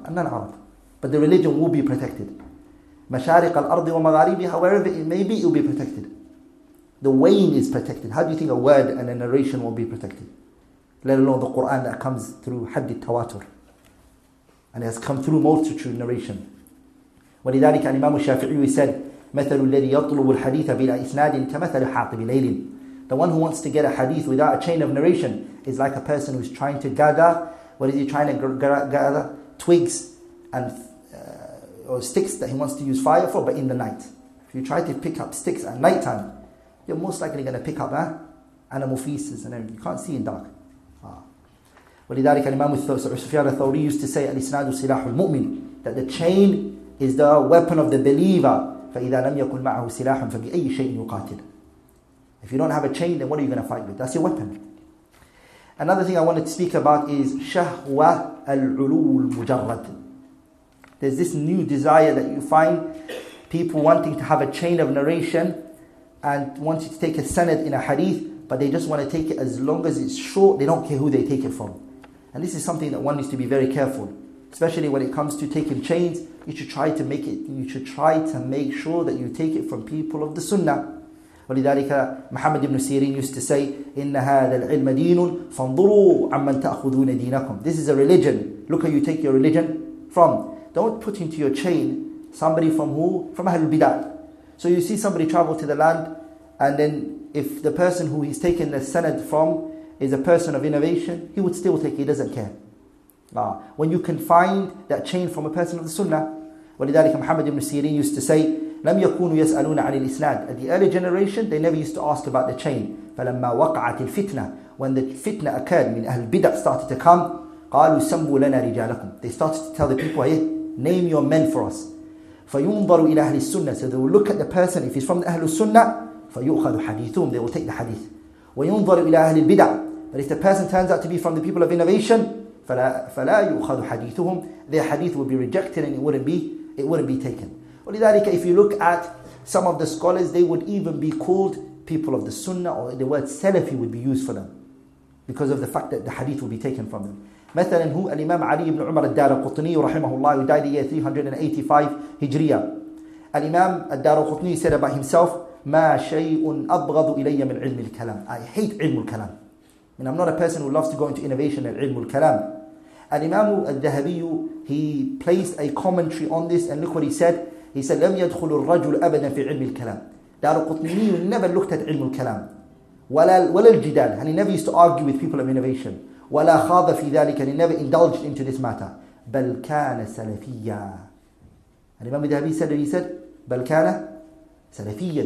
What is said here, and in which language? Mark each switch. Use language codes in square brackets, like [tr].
[en] A non-Arab. But the religion will be protected. [ar] Mashariq al-ardi wa magharibiha, [en] wherever it may be, it will be protected. The wane is protected. How do you think a word and a narration will be protected? Let alone the Quran that comes through hadith tawatur. And it has come through multitude narration. [ar] ولذلك الإمام الشافعي [en] said, [ar] مثل الذي يطلب الحديث بلا إسناد كمثل حاطب ليل. [en] The one who wants to get a hadith without a chain of narration is like a person who is trying to gather, what is he trying to gather? Twigs and or sticks that he wants to use fire for, but in the night. If you try to pick up sticks at night time, you're most likely going to pick up animal feces and everything. You can't see in dark. [ar] ولذلك الإمام سفيان الثوري [en] used to say, [ar] الإسناد سلاح المؤمن, [en] that the chain is the weapon of the believer. [ar] فإذا لم يكن معه سلاح فبأي شيء يقاتل. [en] If you don't have a chain, then what are you going to fight with? That's your weapon. Another thing I wanted to speak about is [ar] شهوة العلو المجرد. [en] There's this new desire that you find people wanting to have a chain of narration and wanting to take a sanad in a hadith, but they just want to take it as long as it's short. They don't care who they take it from. And this is something that one needs to be very careful. Especially when it comes to taking chains, you should try to make sure that you take it from people of the sunnah. [ar] ولذلك محمد بن سيرين [en] used to say, [ar] إن هذا العلم دين فانظروا عمن تأخذون دينكم. [en] This is a religion. Look how you take your religion from. Don't put into your chain somebody from who? From Ahlul Bidah. So you see somebody travel to the land, and then if the person who he's taken the sanad from is a person of innovation, he would still take it, he doesn't care. Nah. When you can find that chain from a person of the sunnah. [ar] ولذلك محمد بن سيرين [en] used to say, [ar] لم يكونوا يسألون عن الإسناد. [en] At the early generation, they never used to ask about the chain. [ar] فلما وقعت الفتنة, [en] when the fitna occurred, [ar] من أهل البدع [en] started to come, [ar] قالوا سموا لنا رجالكم. [en] They started to tell the people, hey, name your men for us. [ar] فينظروا إلى أهل السنة. [en] So they will look at the person, if he's from أهل السنة, [ar] فيؤخذ حديثهم. [en] They will take the hadith. [ar] وينظروا إلى أهل البدع. [en] But if the person turns out to be from the people of innovation, [ar] فلا يؤخذ حديثهم. [en] Their hadith will be rejected and it wouldn't be taken. [ar] ولذلك, [en] if you look at some of the scholars, they would even be called people of the sunnah, or the word Salafi would be used for them because of the fact that the hadith would be taken from them. [ar] مثلا هو الإمام علي بن عمر الدارقطني رحمه الله, [en] who died the year 385 Hijriya. [ar] الإمام الدارقطني [en] said about himself, [ar] ما شيء أبغض إلي من علم الكلام. [en] I hate علم الكلام. And I'm not a person who loves to go into innovation and علم الكلام. الإمام الذهبي, he placed a commentary on this, and look what he said. He said, [ar] لم يدخل الرجل أبدا في علم الكلام. [en] دارقطني never looked at علم الكلام. [ar] ولا الجدال. [en] And he never used to argue with people of innovation. [ar] ولا خاض في ذلك. [en] And he never indulged into this matter. [ar] بل كان سلفيا. [en] And Imam Dhabi said, and he said, [ar] بل كان سلفيا.